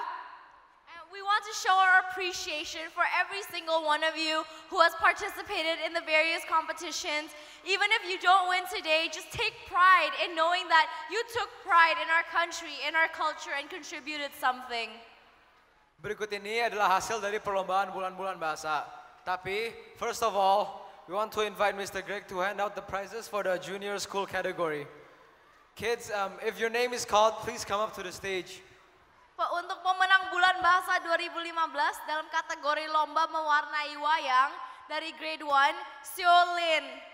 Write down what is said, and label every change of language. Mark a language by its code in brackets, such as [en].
[en] And we want to show our appreciation for every single one of you who has participated in the various competitions. Even if you don't win today, just take pride in knowing that you took pride in our country, in our culture, and contributed something. [id] Berikut ini adalah hasil dari perlombaan Bulan-Bulan Bahasa. [en] Tapi, first of all, we want to invite Mr. Greg to hand out the prizes for the junior school category. Kids, if your name is called, please come up to the stage. [id] Pak, untuk pemenang Bulan Bahasa 2015 dalam kategori lomba mewarnai wayang dari grade 1, Seo Lin.